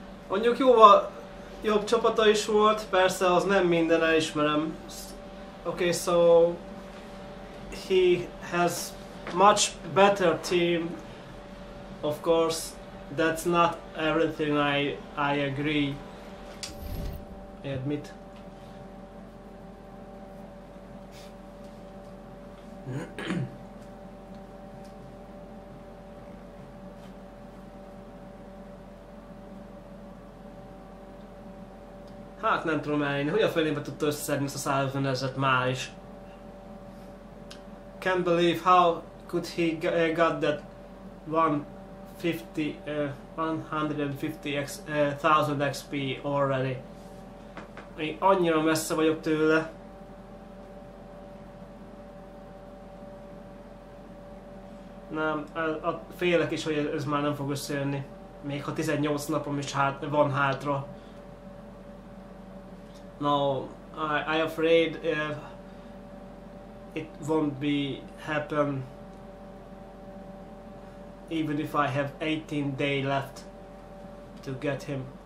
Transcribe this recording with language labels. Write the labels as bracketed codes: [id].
[hu] Mondjuk jóval jobb csapata is volt, persze az nem minden, elismerem. [en] Okay, so he has much better team. Of course, that's not everything I agree. I admit. [hu] Hát nem tudom elni, hogy a fölénbe tudta összeszedni ezt a 150 ezeret már is. [en] Can't believe how could he got that one 150,000 XP already. [hu] Én annyira messze vagyok tőle. Nem, félek is, hogy ez már nem fog összejönni. Még ha 18 napom is van hátra. [en] No, I afraid it won't be happen. Even if I have 18 days left to get him.